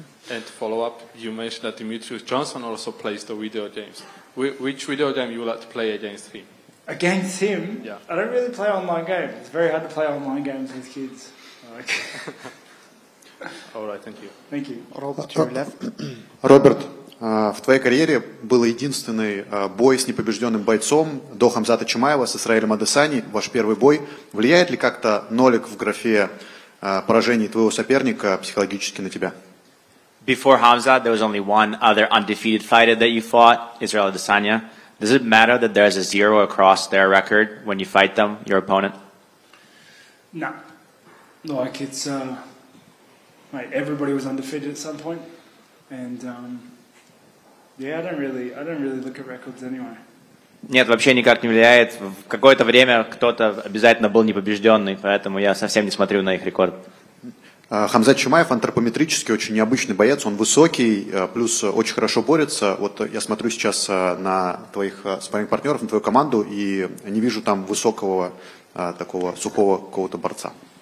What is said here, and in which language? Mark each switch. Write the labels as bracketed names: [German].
[English] And to follow up, you mentioned that Demetrius Johnson also plays the video games. Which video game you would like to play against him? Against him? Yeah. I don't really play online games. It's very hard to play online games with kids. All right, thank you. Thank you. [Russian] Robert, в твоей карьере был единственный бой с непобежденным бойцом до Хамзата Чимаева с Исраилем Адесани, ваш первый бой. Влияет ли как-то нолик в графе поражений твоего соперника психологически на тебя? [English] Before Khamzat, there was only one other undefeated fighter that you fought, Israel Adesanya. Does it matter that there's a zero across their record when you fight them, your opponent? Nah. Like, it's... everybody was undefeated at some point. And, I don't really look at records anyway. [Russian] Нет, вообще никак не влияет. В какое-то время кто-то обязательно был непобежденный, поэтому я совсем не смотрю на их рекорд. Хамзат Чимаев антропометрически очень необычный боец, он высокий, плюс очень хорошо борется. Вот я смотрю сейчас на твоих спарринг-партнеров, на твою команду, и не вижу там высокого, такого сухого какого-то борца.